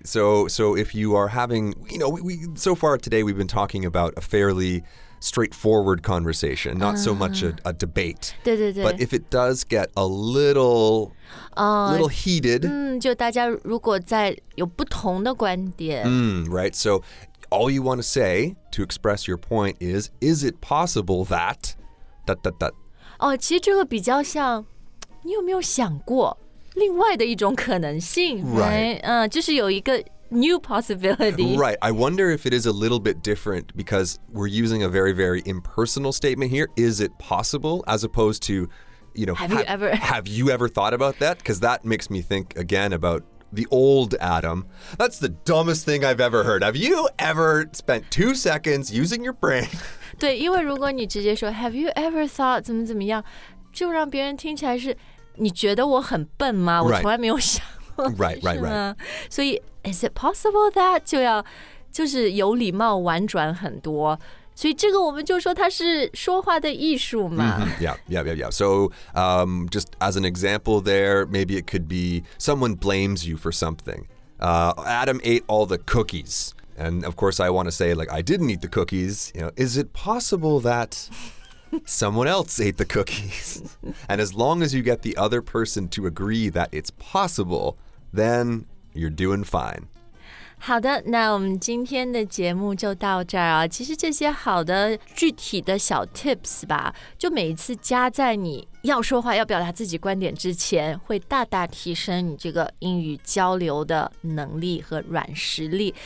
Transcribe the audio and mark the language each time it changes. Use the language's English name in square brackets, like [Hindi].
[English] So if you are having, you know, we so far today we've been talking about a fairly straightforward conversation, not so much a debate. [Chinese] 对对对。 [English] But if it does get a little heated. [Chinese] 就大家如果在有不同的观点。 [English] Right. So all you want to say to express your point is it possible that... 哒哒哒。 [Chinese] 哦，其实这个比较像，你有没有想过另外的一种可能性 [English] ？Right， [Chinese] 就是有一个 [English] new possibility。 Right， I wonder if it is a little bit different because we're using a very very impersonal statement here. Is it possible as opposed to, you know, have you ever thought about that? Because that makes me think again about the old Adam. That's the dumbest thing I've ever heard. Have you ever spent 2 seconds using your brain? [Chinese] 对，因为如果你直接说 [English] Have you ever thought [Chinese] 怎么怎么样，就让别人听起来是你觉得我很笨吗？ [English] Right. [Chinese] 我从来没有想过， [English] right, right, right. [Chinese] 所以 [English] Is it possible that [Chinese] 就要就是有礼貌婉转很多，所以这个我们就说它是说话的艺术嘛。 [English] Yeah. So, just as an example, there maybe it could be someone blames you for something. Adam ate all the cookies. And of course, I want to say, like, I didn't eat the cookies. You know, is it possible that someone else ate the cookies? And as long as you get the other person to agree that it's possible, then you're doing fine. [Chinese] 好的，那我们今天的节目就到这儿啊。其实这些好的具体的小 tips 吧，就每一次加在你要说话、要表达自己观点之前，会大大提升你这个英语交流的能力和软实力。